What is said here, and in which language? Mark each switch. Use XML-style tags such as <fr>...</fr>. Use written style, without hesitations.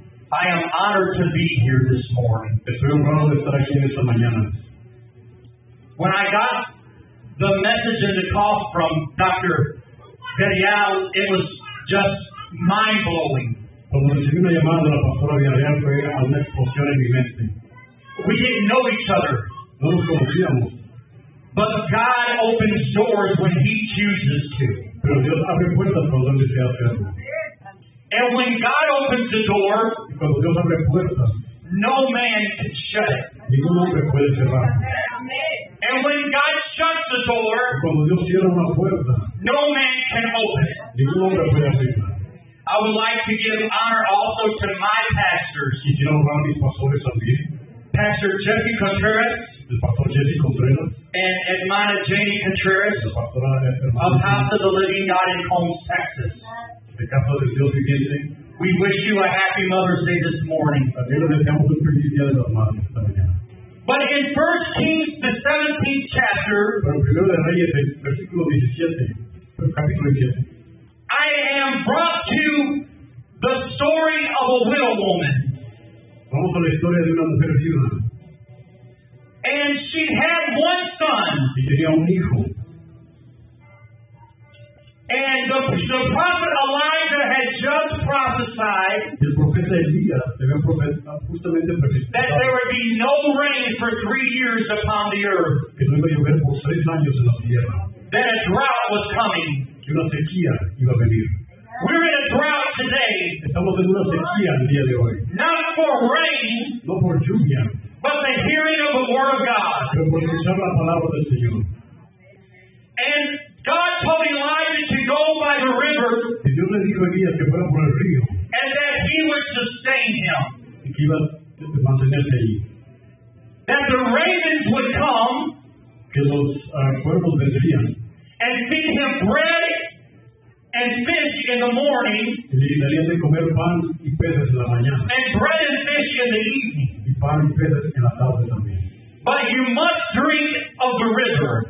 <en>I am honored to be here this morning.</en> <es>Estoy honrado de estar aquí esta mañana.</es> <en>When I got the message and the call from Dr. Villarreal, it was just mind-blowing.</en> <es>Cuando recibí una llamada de la pastora Villarreal, fue una explosión en mi mente.</es> <en>We didn't know each other.</en> <es>No nos conocíamos.</es> <en>But God opens doors when He chooses to.</en> <es>Pero Dios abre puertas cuando desea hacerlo.</es> <en>And when God opens the door,</en> <es>cuando Dios abre puertas,</es> <en>no man can shut it.</en> <es>Ningún hombre puede cerrar.</es> <en>And when God shuts the door,</en> <es>cuando Dios cierra una puerta,</es> <en>no man can open it.</en> <es>Ningún hombre puede abrirla.</es> <en>I would like to give honor also to my pastors.</en> <es>Y quiero honrar a mis pastores también.</es> <en>Pastor Jesse Contreras.</en> <es>El pastor Jesse Contreras.</es> <en>And Edmana Janie Contreras.</en> <es>La pastora Edmana.</es> <en>Of House of the Living God in Holmes, Texas.</en> <es>De Casa de Dios Viviente.</es> <en>We wish you a happy Mother's Day this morning.</en> <es>También le deseamos un feliz día de las madres esta mañana.</es> <en>But in 1 Kings, the 17th chapter,</en> <es>pero en Primero de Reyes, versículo 17, capítulo 17,</es> <en>I am brought to the story of a widow woman.</en> <es>Vamos a la historia de una mujer viuda.</es> <en>And she had one son.</en> <es>Y tenía un hijo.</es> <en>And the prophet Elijah had just prophesied.</en> <es>El profeta Elías había justamente profetizado.</es> <en>That there would be no rain for 3 years upon the earth.</en> <es>Que no iba a llover por 3 años en la tierra.</es> <en>That a drought was coming.</en> <es>Que una sequía iba a venir.</es> <en>We're in a drought today.</en> <es>Estamos en una sequía el día de hoy.</es> <en>Not for rain.</en> <es>No por lluvia.</es> <en>But the hearing of the word of God.</en> <es>Pero por escuchar la palabra del Señor.</es> <en>And God told Elijah to go by the river.</en> <es>Y Dios le dijo a Elías que fuera por el río.</es> <en>And that he would sustain him.</en> <es>Y que iba a mantenerse allí.</es> <en>That the ravens would come.</en> <es>Que los cuervos vendrían.</es> <en>And feed him bread and fish in the morning.</en> <es>Y le darían de comer pan y peces en la mañana.</es> <en>And bread and fish in the evening.</en> <es>Y pan y peces en la tarde también.</es> <en>But you must drink of the river.</en>